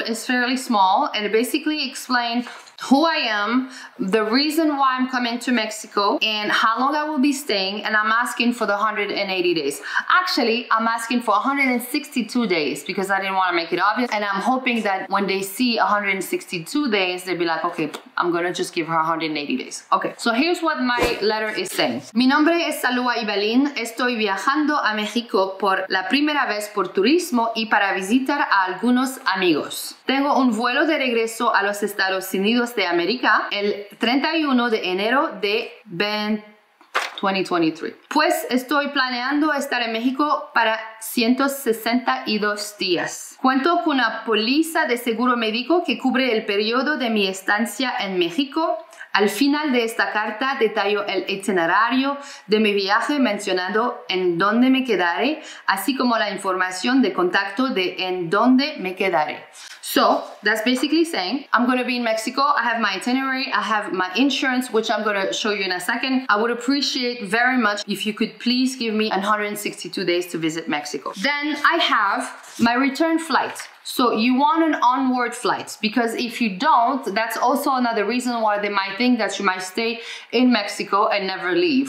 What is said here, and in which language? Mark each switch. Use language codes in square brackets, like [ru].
[en] It's fairly small, and it basically explains who I am, the reason why I'm coming to Mexico, and how long I will be staying, and I'm asking for the 180 days. Actually, I'm asking for 162 days because I didn't want to make it obvious, and I'm hoping that when they see 162 days, they'll be like, okay, I'm gonna just give her 180 days. Okay, so here's what my letter is saying. [es] Mi nombre es Salwa Ibalín. Estoy viajando a México por la primera vez por turismo y para visitar a algunos amigos. Tengo un vuelo de regreso a los Estados Unidos Unidos de América el 31 de enero de 2023. Pues estoy planeando estar en México para 162 días. Cuento con una póliza de seguro médico que cubre el periodo de mi estancia en México. Al final de esta carta detallo el itinerario de mi viaje mencionando en dónde me quedaré, así como la información de contacto de en dónde me quedaré. [en] So, that's basically saying, I'm going to be in Mexico, I have my itinerary, I have my insurance, which I'm going to show you in a second. I would appreciate very much if you could please give me 162 days to visit Mexico. Then I have my return flight. So you want an onward flight, because if you don't, that's also another reason why they might think that you might stay in Mexico and never leave.